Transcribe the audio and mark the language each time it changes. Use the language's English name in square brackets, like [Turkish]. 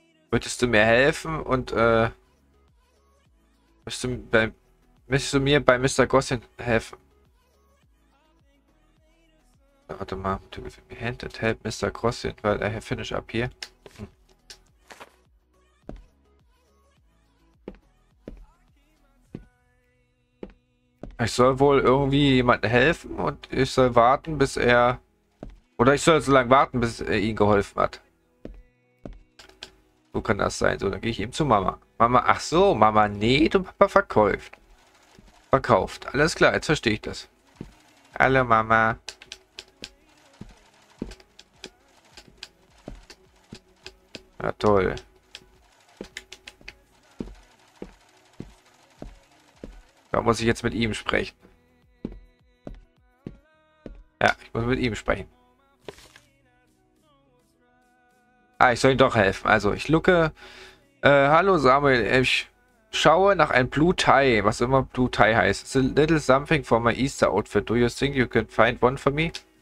[German] Würdest du mir helfen und müsstest du mir bei Mr. Gosselin helfen? Warte mal, [English] would you give me a hand and help Mr. Gosselin while I finish up here? [German] Ich soll wohl irgendwie jemandem helfen und ich soll warten, bis er. Oder ich soll so lange warten, bis er ihm geholfen hat. So kann das sein. So, dann gehe ich eben zu Mama. Mama, ach so, Mama näht und Papa verkauft. Verkauft. Alles klar, jetzt verstehe ich das. Hallo, Mama. Ja, toll. Da muss ich jetzt mit ihm sprechen. Ja, ich muss mit ihm sprechen. Ah, ich soll ihm doch helfen. Also, ich lucke. Hallo Samuel, ich schaue nach einem Blue Tie, was immer Blue Tie heißt. [English] It's a little something for my Easter Outfit. Do you think you can find one for me?